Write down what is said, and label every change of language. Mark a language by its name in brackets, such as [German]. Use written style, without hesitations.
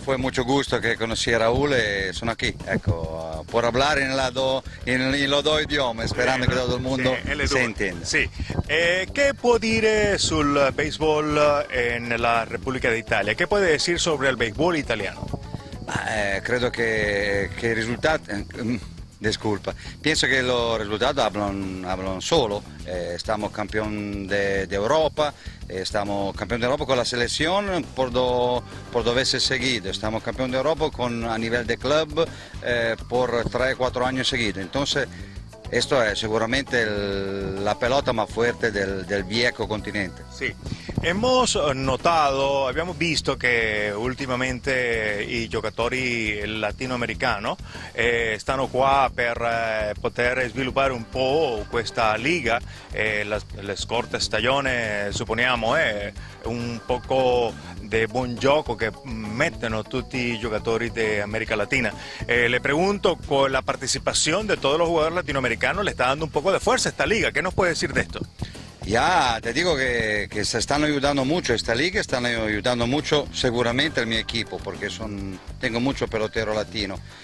[Spanish] Fue mucho gusto que conocí a Raúl y son aquí, ecco, por hablar en los dos idiomas, esperando que todo el mundo se entienda. Sí. ¿Qué puede decir [Italian] sul [Spanish] béisbol en la República de Italia? ¿Qué puede decir sobre el béisbol italiano? Creo que el resultado... [Italian] disculpa, penso che lo risultato [Spanish] hablan solo, [Italian] stiamo campione d'Europa, stiamo campione d'Europa con la selezione per dove si è seguito, stiamo campione d'Europa a livello di club per 3-4 anni seguiti, quindi questo è sicuramente la pelota più forte [Spanish] del viejo continente. [Italian] Sì, [Spanish] hemos notato, [Italian] abbiamo visto che ultimamente i giocatori latinoamericani stanno qua per poter sviluppare un po' questa liga, le scorte stagioni, supponiamo, [Spanish] un poco de buen juego que meten [Italian] tutti i giocatori de América Latina. [Spanish] Le pregunto, con la participación de todos los jugadores latinoamericanos, le está dando un poco de fuerza a esta liga. ¿Qué nos puede decir de esto? Ya, te digo que se están ayudando mucho esta liga, están ayudando mucho seguramente al mi equipo, porque tengo mucho pelotero latino.